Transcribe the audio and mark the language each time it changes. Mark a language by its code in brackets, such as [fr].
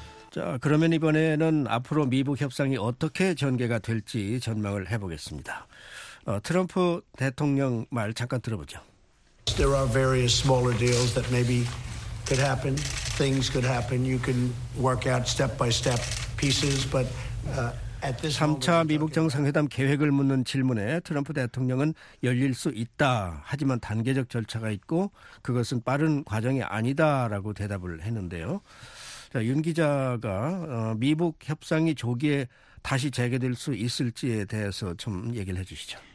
[ko] 자, 그러면 이번에는 앞으로 미북 협상이 어떻게 전개가 될지 전망을 해보겠습니다. 트럼프 대통령 말 잠깐 들어보죠. [en] There are various smaller deals that maybe could happen. things could happen. You can work out step-by-step pieces, but at this moment... [ko] 3차 미국 정상회담 계획을 묻는 질문에 트럼프 대통령은 열릴 수 있다, 하지만 단계적 절차가 있고 그것은 빠른 과정이 아니다라고 대답을 했는데요. 자, 윤 기자가 미북 협상이 조기에 다시 재개될 수 있을지에 대해서 좀 얘기를 해 주시죠.